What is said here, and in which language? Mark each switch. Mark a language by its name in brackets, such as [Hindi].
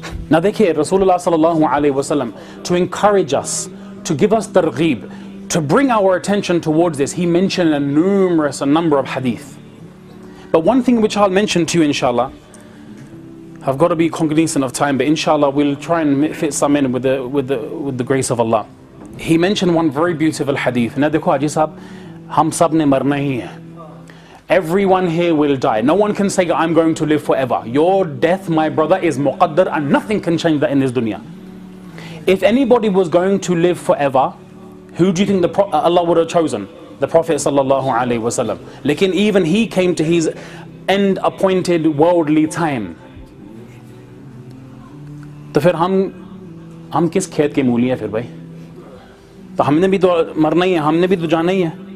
[English] Now, look here, Rasulullah sallallahu alayhi wasallam, to encourage us, to give us targheeb, to bring our attention towards this, he mentioned a number of hadith. But one thing which I'll mention to you, inshallah, I've got to be cognizant of time, but inshallah, we'll try and fit some in with the grace of Allah. He mentioned one very beautiful hadith. [Urdu] Now, دیکھو، حاجی صاحب، ہم سب نے مرنا ہی ہے۔ [English] Everyone here will die. No one can say, I'm going to live forever. Your death, my brother, is muqaddar, and nothing can change that in this dunya. If anybody was going to live forever, who do you think Allah would have chosen? The Prophet sallallahu alaihi wasallam. Lekin even he came to his end appointed worldly time. [Urdu] تو پھر ہم کس کھیت کے مولی ہے پھر بھائی؟ تو ہمنے بھی تو مرنا ہی ہے، ہمنے بھی تو جانا ہی ہے۔